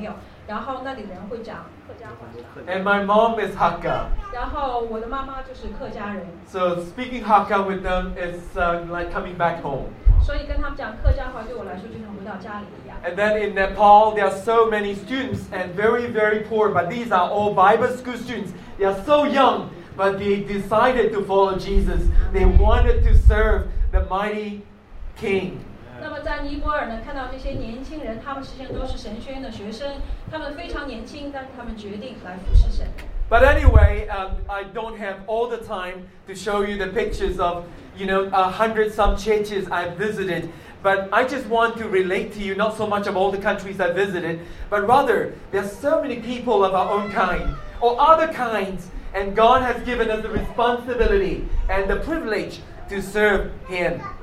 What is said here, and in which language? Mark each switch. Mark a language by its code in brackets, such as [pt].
[zh] 那么牧师在印度一间学校里面服侍，这间学校是提供教学给当地很贫穷的小朋友，然后那里人会讲客家话。 [en] And my mom is Hakka. [zh] 然后我的妈妈就是客家人。 [en] So speaking Hakka with them is like coming back home. [zh] 所以跟他们讲客家话，对我来说就像回到家里一样。 [en] And then in Nepal, there are so many students and very, very poor, but these are all Bible school students. They are so young, but they decided to follow Jesus. They wanted to serve the mighty King. [zh] 那么在尼泊尔呢，看到这些年轻人，他们实际上都是神学院的学生，他们非常年轻，但他们决定来服侍神。 [en] But anyway, I don't have all the time to show you the pictures of, you know, 100-some churches I've visited. But I just want to relate to you, not so much of all the countries I visited, but rather, there are so many people of our own kind, or other kinds, and God has given us the responsibility and the privilege to serve Him.